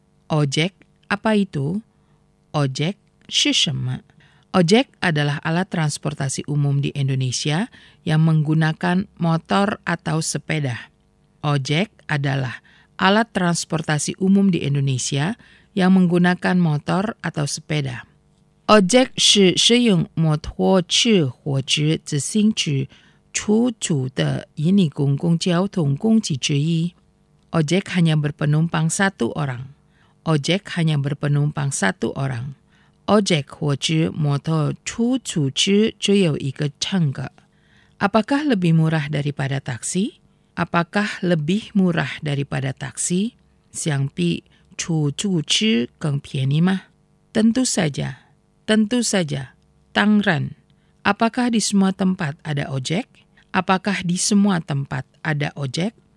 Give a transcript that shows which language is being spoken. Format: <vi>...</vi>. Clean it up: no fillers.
<id>Ojek, apa itu? Ojek,</id> <zh>是什么?</zh> <id>Ojek adalah alat transportasi umum di Indonesia yang menggunakan motor atau sepeda. Ojek adalah alat transportasi umum di Indonesia yang menggunakan motor atau sepeda.</id> <zh>Ojek 是使用摩托车或者自行车出租的印尼公共交通工具之一。</zh> <id>Ojek hanya berpenumpang satu orang. Ojek hanya berpenumpang satu orang.</id> <zh>Ojek 或者摩托出租车只有一个乘客。</zh> <id>Apakah lebih murah daripada taksi? Apakah lebih murah daripada taksi?</id> <zh>相比出租车更便宜吗?</zh> <id>Tentu saja. Tentu saja.</id> <zh>Tang ran.</zh> <id>Apakah di semua tempat ada ojek? Apakah di semua tempat ada ojek?</id>